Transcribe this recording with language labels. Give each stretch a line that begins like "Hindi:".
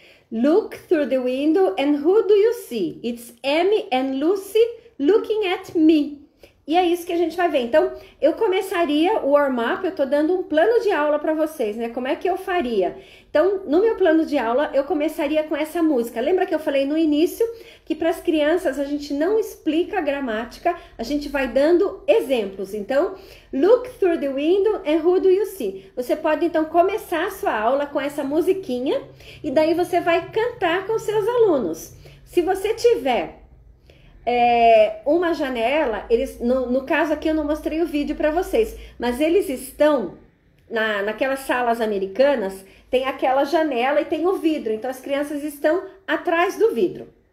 English: Look through the window and who do you see? It's Amy and Lucy looking at me.
Portuguese: E é isso que a gente vai ver. Então, eu começaria o warm-up, eu tô dando um plano de aula para vocês, né? Como é que eu faria? Então, no meu plano de aula, eu começaria com essa música. Lembra que eu falei no início que para as crianças a gente não explica a gramática, a gente vai dando exemplos.
English: Então, look through the window and who do you see?
Portuguese: Você pode então começar a sua aula com essa musiquinha e daí você vai cantar com seus alunos. Se você tiver uma janela, eles no caso aqui eu não mostrei o vídeo para vocês, mas eles estão naquelas salas americanas, tem aquela janela e tem o vidro, então as crianças estão atrás do vidro.